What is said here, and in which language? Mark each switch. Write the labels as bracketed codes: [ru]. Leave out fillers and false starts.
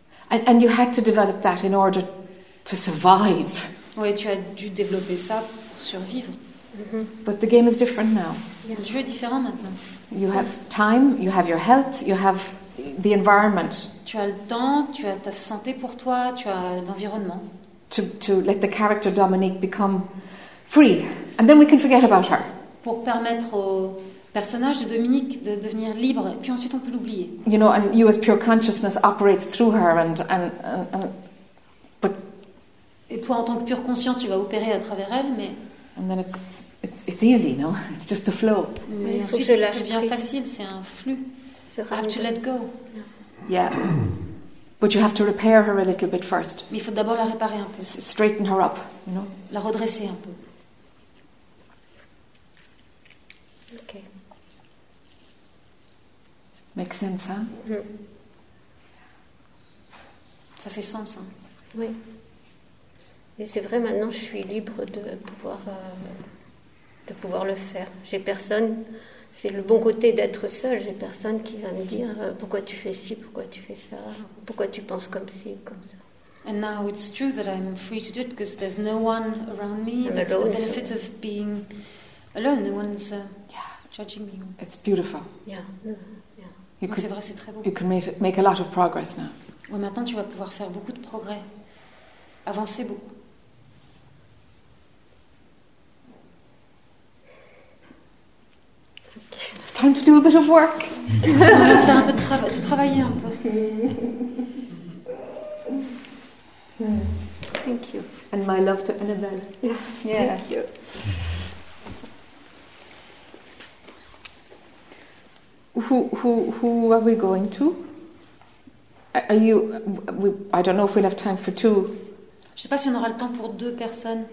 [en] And you had to develop that in order to survive. [fr] Oui, tu as dû développer ça pour survivre. [en] Mm-hmm. But the game is different now. Yeah. [fr] Le jeu est différent maintenant. [en] You have time, you have your health, you have the environment. [fr] Tu as le temps, tu as ta santé pour toi, tu as l'environnement. [en] To let the character Dominique become free. And then we can forget about her. [fr] Pour permettre au personnage de Dominique de devenir libre, puis ensuite on peut l'oublier. [en] You know, and you as pure consciousness operates through her and but... [fr] Et toi en tant que pure conscience, tu vas opérer à travers elle, mais... [en] And then it's easy, no? It's just the flow. [fr] Mais ensuite, faut que je lâche, c'est bien facile, c'est un flux. [en] I have to let go. Yeah. But you have to repair her a little bit first. [fr] Mais il faut d'abord la réparer un peu. [en] Straighten her up, you know? [fr] La redresser un peu. [en] OK. Makes sense, hein? Mm. [fr] Ça fait sens, hein? Oui. Et c'est vrai, maintenant, je suis libre de pouvoir le faire. J'ai personne... C'est le bon côté d'être seule. J'ai personne qui va me dire pourquoi tu fais ci, pourquoi tu fais ça, pourquoi tu penses comme ci, comme ça. [en] And now it's true that I'm free to do it because there's no one around me. That's the benefit of being alone. No one's judging me. It's beautiful. Yeah. [fr] Donc c'est vrai, c'est très beau. [en] You can make a lot of progress now. [fr] Ouais, maintenant tu vas pouvoir faire beaucoup de progrès. Avancer beaucoup. [en] It's time to do a bit of work. [fr] Faire un peu de travailler un peu. [en] Thank you. And my love to Annabelle. Yeah. Thank you. Who are we going to? Are you? I don't know if we'll have time for two. [fr] Je ne sais pas si on aura le temps pour deux personnes.